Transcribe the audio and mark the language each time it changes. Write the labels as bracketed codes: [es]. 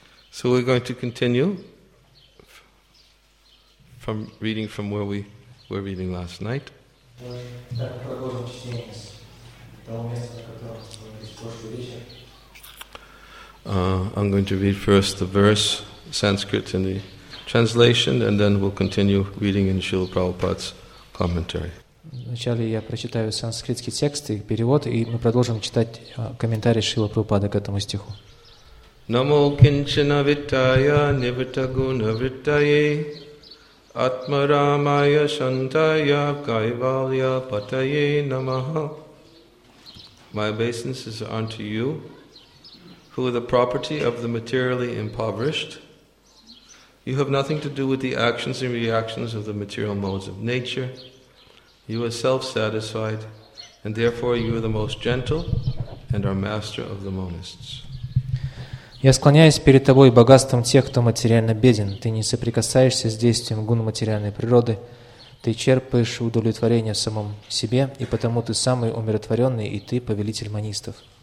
[en] So we're going to continue from reading from where we were reading last night. I'm going to read first the verse, Sanskrit in the translation, and then we'll continue reading in Srila Prabhupada's commentary. [ru] Вначале я прочитаю санскритский текст и перевод, и мы продолжим читать комментарий Шрила Прабхупады к этому стиху. [sa] Намо кинчана виттая нивритта гуна виттае атмарамая шантая кайвалья патае намаха. [en] My obeisances are unto you, who are the property of the materially impoverished. You have nothing to do with the actions and reactions of the material modes of nature. You are self-satisfied, and therefore you are the most gentle and are master of the monists. [ru] Я склоняюсь перед тобой богатством тех, кто материально беден. Ты не соприкасаешься с действием гун материальной природы. Ты черпаешь удовлетворение в самом себе, и потому ты самый умиротворенный, и ты повелитель монистов.